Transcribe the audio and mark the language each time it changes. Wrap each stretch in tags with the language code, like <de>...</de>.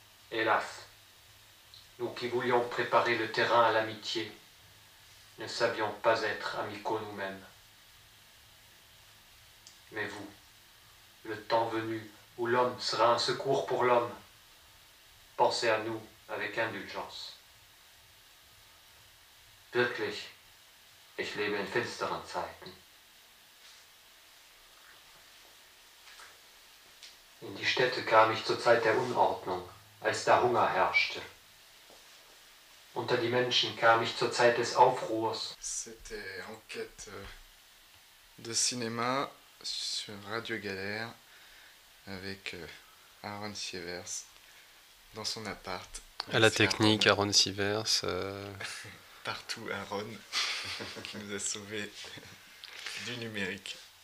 <fr>Hélas, nous qui voulions préparer le terrain à l'amitié, ne savions pas être amicaux nous-mêmes. Mais vous, le temps venu où l'homme sera un secours pour l'homme, pensez à nous avec indulgence.</fr> <de>Wirklich, ich lebe in finsteren Zeiten. In die Städte kam ich zur Zeit der Unordnung, als da Hunger herrschte. Unter die Menschen kam ich zur Zeit des Aufruhrs.</de> <fr>C'était Enquête de cinéma sur Radio Galère avec Aaron Sievers dans son appart. À la technique, Aaron Sievers. Partout Aaron, qui nous a sauvés du numérique.</fr>